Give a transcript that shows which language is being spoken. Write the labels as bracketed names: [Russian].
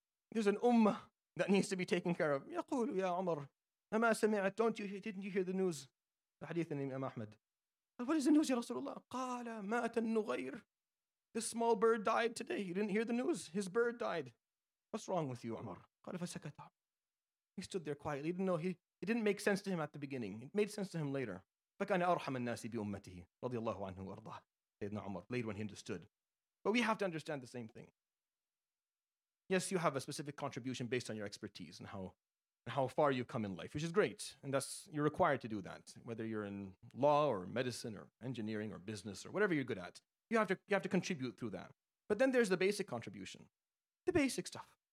[English] There's an ummah that needs to be taken care of. [Arabic] Yaqulu ya Umar, ama sami'at, [English] didn't you hear the news? The hadith in Imam Ahmad. What is the news, Ya Rasulullah? [Arabic] Qala mat al-nughayr. [English] This small bird died today. You didn't hear the news? His bird died. What's wrong with you, Umar? [Arabic] Qala fasakata. [English] He stood there quietly. It didn't make sense to him at the beginning. It made sense to him later. [Arabic] فَكَانَ أَرْحَمَ النَّاسِ بِأُمَّتِهِ رَضِيَ اللَّهُ عَنْهُ وَأَرْضَهُ سيدنا عمر, [English] later when he understood. But we have to understand the same thing. Yes, you have a specific contribution based on your expertise and how far you've come in life, which is great. And that's, you're required to do that, whether you're in law or medicine or engineering or business or whatever you're good at. You have to contribute through that. But then there's the basic contribution, the basic stuff.